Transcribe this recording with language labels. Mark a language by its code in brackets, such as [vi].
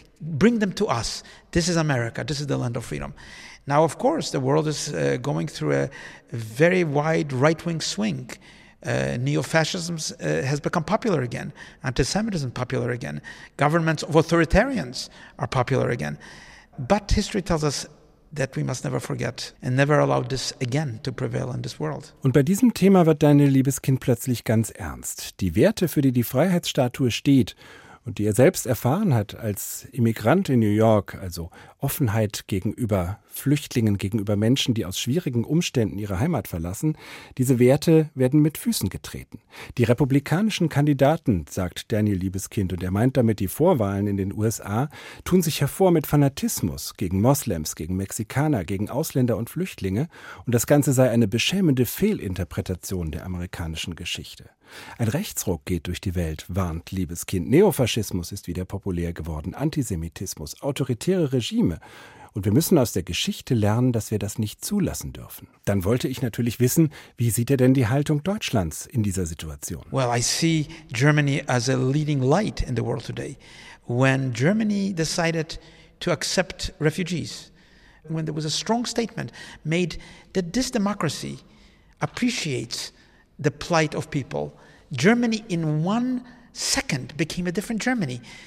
[en] Bring them to us. This is America. This is the land of freedom." Now, of course, the world is going through a very wide right-wing swing. Neo-fascism has become popular again. Anti-Semitism popular again. Governments of authoritarians are popular again. But history tells us that we must never forget and never allow this again to prevail in this world. [de] Und bei diesem Thema wird Daniel Liebeskind plötzlich ganz ernst. Die Werte, für die die Freiheitsstatue steht und die er selbst erfahren hat als Immigrant in New York, also Offenheit gegenüber Flüchtlingen, gegenüber Menschen, die aus schwierigen Umständen ihre Heimat verlassen, diese Werte werden mit Füßen getreten. Die republikanischen Kandidaten, sagt Daniel Liebeskind, und er meint damit die Vorwahlen in den USA, tun sich hervor mit Fanatismus gegen Moslems, gegen Mexikaner, gegen Ausländer und Flüchtlinge, und das Ganze sei eine beschämende Fehlinterpretation der amerikanischen Geschichte. Ein Rechtsruck geht durch die Welt, warnt Liebeskind. Neofaschismus ist wieder populär geworden, Antisemitismus, autoritäre Regime. Und wir müssen aus der Geschichte lernen, dass wir das nicht zulassen dürfen. Dann wollte ich natürlich wissen, wie sieht er denn die Haltung Deutschlands in dieser Situation? [en] Well, I see Germany as a leading light in the world today. When Germany decided to accept refugees, when there was a strong statement made that this democracy appreciates the plight of people, Germany in one second became a different Germany.